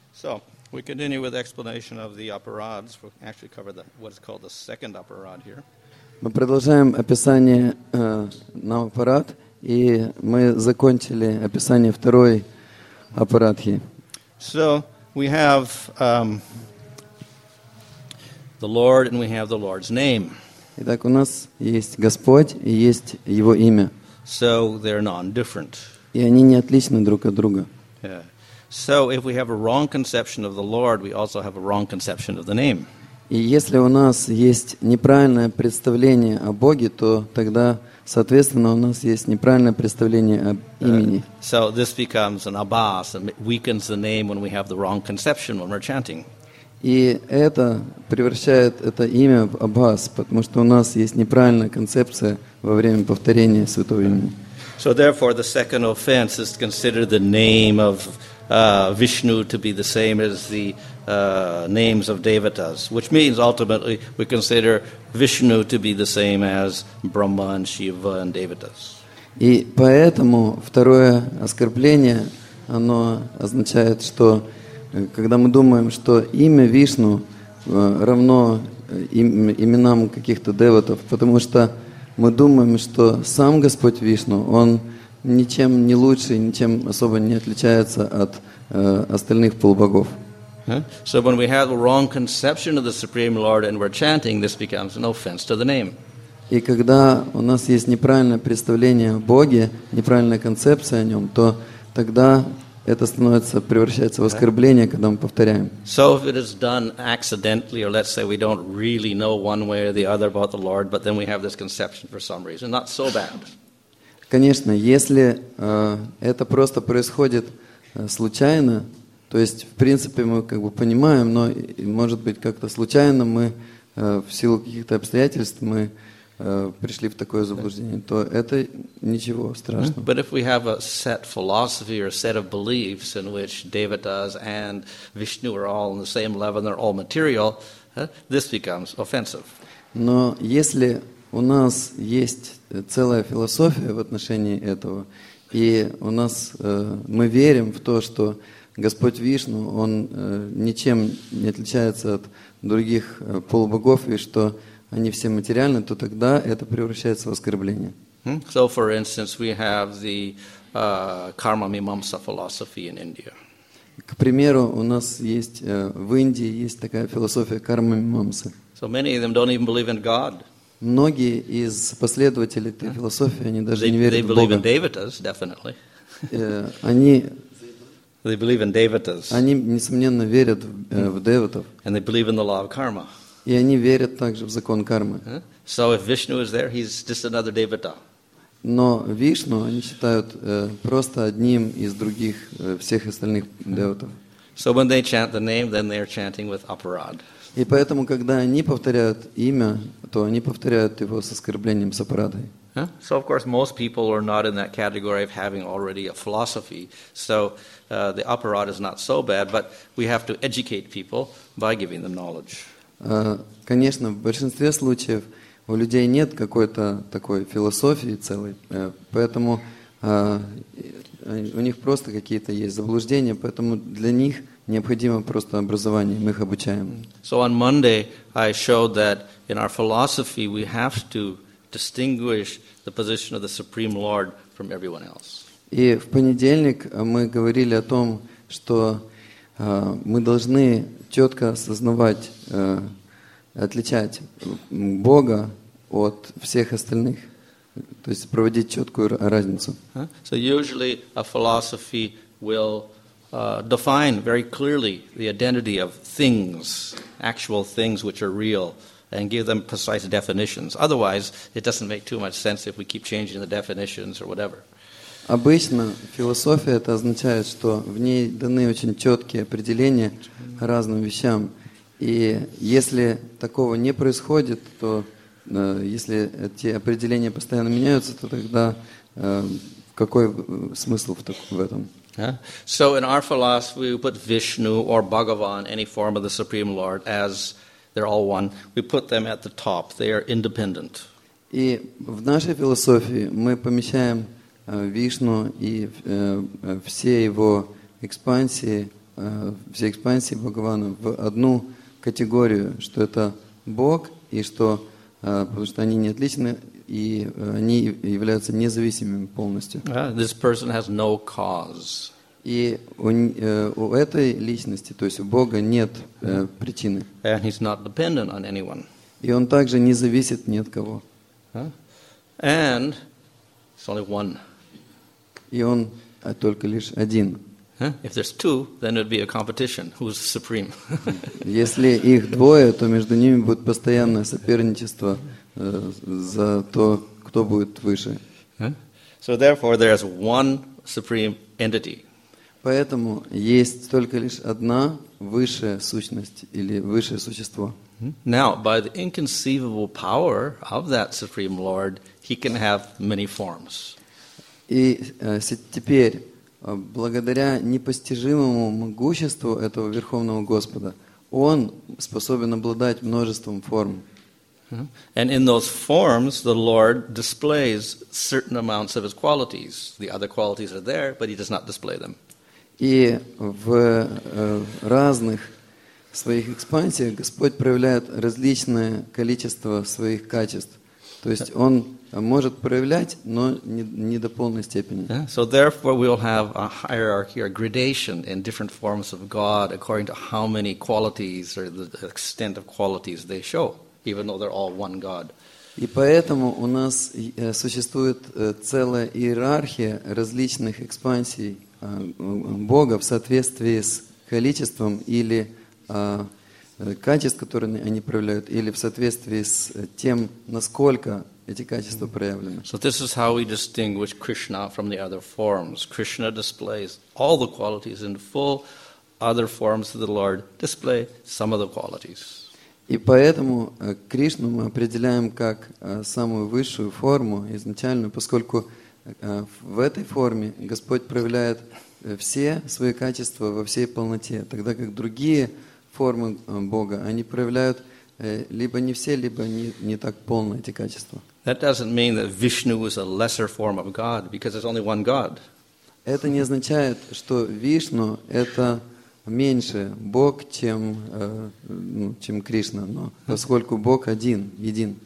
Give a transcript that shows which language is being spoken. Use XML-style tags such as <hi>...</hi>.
<en>So we continue with explanation of the upper rods. We'll actually cover the, what is called the second upper rod here.</en> <ru>Мы продолжаем описание на upper rod, и мы закончили описание второй</ru> <en>upper rod here. So we have the Lord, and we have the Lord's name.</en> <ru>Итак, у нас есть Господь и есть Его имя.</ru> <en>So they're non-different.</en> <ru>И они не отличны друг от друга.</ru> <en>Yeah. So if we have a wrong conception of the Lord, we also have a wrong conception of the name.</en> <ru>И если у нас есть неправильное представление о Боге, то тогда, соответственно, у нас есть неправильное представление об имени.</ru> <en>So this becomes an abas, and weakens the name when we have the wrong conception when we're chanting.</en> <ru>И это превращает это имя в Аббас, потому что у нас есть неправильная концепция во время повторения святого имени.</ru> <en>So therefore the second offense is to consider the name of Vishnu to be the same as the names of devatas, which means ultimately we consider Vishnu to be the same as Brahma and Shiva and devatas.</en> <ru>И поэтому второе оскорбление, оно означает, что когда мы думаем, что имя Вишну равно именам каких-то деватов, потому что мы думаем, что сам Господь Вишну, он ничем не лучше, ничем особо не отличается от остальных полубогов.</ru> <en>So when we have a wrong conception of the Supreme Lord and we're chanting, this becomes an offense to the name.</en> <ru>И когда у нас есть неправильное представление о Боге, неправильная концепция о нем, то тогда это становится, превращается в оскорбление, когда мы повторяем.</ru> <en>So if it is done accidentally, or let's say we don't really know one way or the other about the Lord, but then we have this conception for some reason, not so bad.</en> <ru>Конечно, если это просто происходит случайно, то есть, в принципе, мы как бы понимаем, но, может быть, как-то случайно мы в силу каких-то обстоятельств мы пришли в такое заблуждение, то это ничего страшного.</ru> <en>But if we have a set philosophy or a set of beliefs in which devatas and Vishnu are all on the same level and they're all material, this becomes offensive.</en> <ru>Но если у нас есть целая философия в отношении этого, и у нас мы верим в то, что Господь Вишну, он ничем не отличается от других полубогов, и что они все материальны, то тогда это превращается в оскорбление.</ru> <en>So, for instance, we have the karma mimamsa philosophy in India.</en> <ru>К примеру, у нас есть в Индии есть такая философия карма мимамсы.</ru> <en>So many of them don't even believe in God.</en> <ru>Многие из последователей этой философии, они даже не верят в Бога.</ru> <en>They believe in devatas, definitely. They believe in devatas.</en> <ru>Они несомненно верят в деватов.</ru> <en>And they believe in the law of karma.</en> <ru>И они верят также в закон кармы.</ru> <en>So if Vishnu is there, he's just another devata.</en> <ru>Но Вишну они считают просто одним из других всех остальных деватов.</ru> <en>So when they chant the name, then they are chanting with aparad.</en> <ru>И поэтому, когда они повторяют имя, то они повторяют его с оскорблением, с апарадой.</ru> <en>So of course most people are not in that category of having already a philosophy. So the aparad is not so bad, but we have to educate people by giving them knowledge.</en> <ru>Конечно, в большинстве случаев у людей нет какой-то такой философии целой, поэтому у них просто какие-то есть заблуждения, поэтому для них необходимо просто образование, мы их обучаем.</ru> <en>So on Monday I showed that in our philosophy we have to distinguish the position of the Supreme Lord from everyone else.</en> <ru>И в понедельник мы говорили о том, что мы должны четко осознавать, отличать Бога от всех остальных, то есть проводить четкую разницу.</ru> <en>So usually a philosophy will define very clearly the identity of things, actual things which are real, and give them precise definitions. Otherwise, it doesn't make too much sense if we keep changing the definitions or whatever.</en> <ru>Обычно философия это означает, что в ней даны очень четкие определения разным вещам. И если такого не происходит, то если эти определения постоянно меняются, то тогда какой смысл в этом?</ru> <en>So in our philosophy we put Vishnu or Bhagavan, any form of the Supreme Lord, as they're all one, we put them at the top. They are independent.</en> <ru>И в нашей философии мы помещаем Вишну и все его экспансии, все экспансии Бхагавана в одну категорию, что это Бог, и что, потому что они не отличны, и они являются независимыми полностью.</ru> <en>This person has no cause.</en> <ru>И у этой личности, то есть у Бога, нет причины.</ru> <en>And he's not dependent on anyone.</en> <ru>И он также не зависит ни от кого.</ru> <en>And it's only one.</en> <ru>И он только лишь один.</ru> <en>If there's two, then it would be a competition. Who's supreme?</en> <ru>Если их двое, то между ними будет постоянное соперничество за то, кто будет выше.</ru> <en>So therefore, there is one supreme entity.</en> <ru>Поэтому есть только лишь одна высшая сущность или высшее существо.</ru> <en>Now, by the inconceivable power of that supreme Lord, he can have many forms.</en> <ru>И теперь, благодаря непостижимому могуществу этого Верховного Господа, он способен обладать множеством форм.</ru> <en>And in those forms, the Lord displays certain amounts of his qualities. The other qualities are there, but he does not display them.</en> <ru>И в разных своих экспансиях Господь проявляет различное количество своих качеств. То есть он может проявлять, но не до полной степени.</ru> <en>So therefore we will have a hierarchy or gradation in different forms of God according to how many qualities or the extent of qualities they show, even though they're all one God.</en> <ru>И поэтому у нас существует целая иерархия различных экспансий Бога в соответствии с количеством или качеств, которые они проявляют, или в соответствии с тем, насколько эти качества проявлены.</ru> <en>So this is how we distinguish Krishna from the other forms. Krishna displays all the qualities in full. Other forms of the Lord display some of the qualities.</en> <ru>И поэтому Кришну мы определяем как самую высшую форму изначальную, поскольку в этой форме Господь проявляет все свои качества во всей полноте, тогда как другие формы Бога, они проявляют либо не все, либо не так полно эти качества.</ru> <en>That doesn't mean that Vishnu is a lesser form of God, because there's only one God.</en> <ru>Это не означает, что Вишну это меньше Бог, чем Кришна, но поскольку Бог один, един.</ru>